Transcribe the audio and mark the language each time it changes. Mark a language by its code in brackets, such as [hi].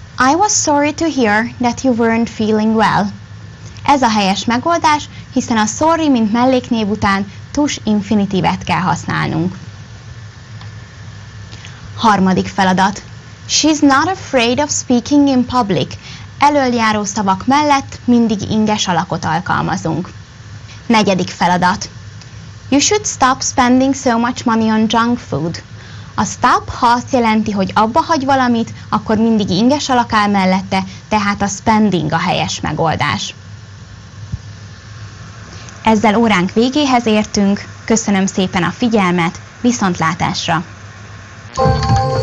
[en] I was sorry to hear that you weren't feeling well. [hu] Ez a helyes megoldás, hiszen a sorry, mint melléknév után tush infinitívet kell használnunk. Harmadik feladat. [en] She's not afraid of speaking in public, [hu] elöljáró szavak mellett mindig inges alakot alkalmazunk. Negyedik feladat. [en] You should stop spending so much money on junk food. [hu] A stop, ha azt jelenti, hogy abba hagy valamit, akkor mindig inges alak áll mellette, tehát a spending a helyes megoldás. Ezzel óránk végéhez értünk. Köszönöm szépen a figyelmet, viszontlátásra!